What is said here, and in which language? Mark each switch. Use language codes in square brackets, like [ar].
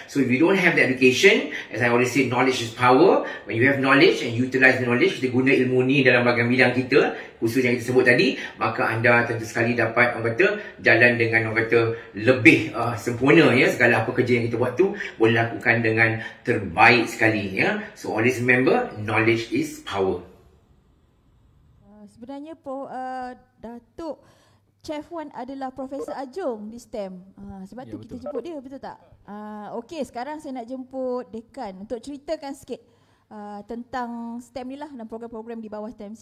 [en] So if you don't have that education, as I always say, knowledge is power. When you have knowledge and utilize the knowledge, [ms] kita guna ilmu ni dalam bagian bidang kita khusus yang kita sebut tadi, maka anda tentu sekali dapat orang kata jalan dengan orang kata lebih sempurna ya, segala apa kerja yang kita buat tu boleh lakukan dengan terbaik sekali ya. [en] So always remember, knowledge is power. [ms] Sebenarnya Datuk Chef Wan adalah Profesor Ajung di STEM. Sebab ya, tu betul. Kita jemput dia, betul tak? Okey, sekarang saya nak jemput Dekan untuk ceritakan sikit tentang STEM ni lah dan program-program di bawah STEM.